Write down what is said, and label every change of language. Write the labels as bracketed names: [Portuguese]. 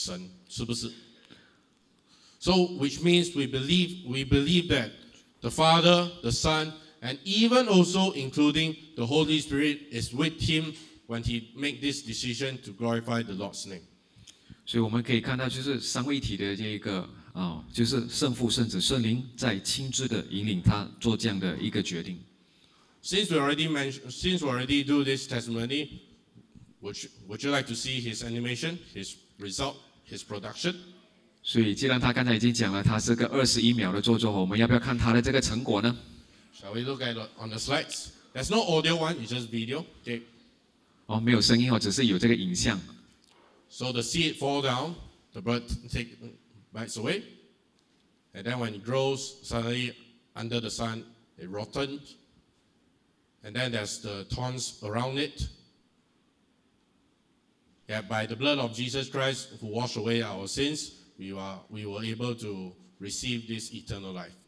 [Chinese] 我们相信的是那个得胜的君王。我们相信的是三位一体的神，是不是？So [English] which means we believe that the Father, the Son, and even also including the Holy Spirit is with him when he make this decision to glorify the Lord's name. [Chinese] 所以我们可以看到，就是三位一体的这个。就是圣父、圣子、圣灵在亲自的引领他做这样的一个决定。Since [English] we already do this testimony, would you like to see his animation, his result, his production? [Chinese] 所以，既然他刚才已经讲了，他是个21秒的作作，我们要不要看他的这个成果呢 [English] ？Shall we look at on the slides? There's no audio one, it's just video. Okay. [Chinese] 哦，没有声音哦，只是有这个影像。So [English] the seed fall down, the bird take bites away. And then when it grows, suddenly under the sun, it rotted. And then there's the thorns around it. Yeah, by the blood of Jesus Christ, who washed away our sins, we were able to receive this eternal life.